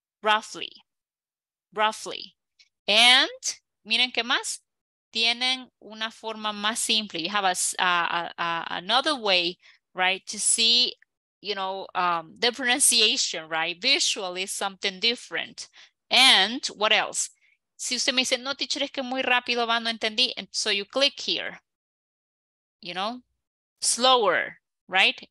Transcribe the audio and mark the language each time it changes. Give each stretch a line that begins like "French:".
English: Roughly. Roughly. And,
Spanish: miren qué más, tienen una forma más simple.
English: You have another way, right, to see, you know, the pronunciation, right? Visually, something different. And, what else?
Spanish: Si usted me dice, no, teacher, es que muy rápido va, no entendí.
English: And so you click here, you know, slower, right?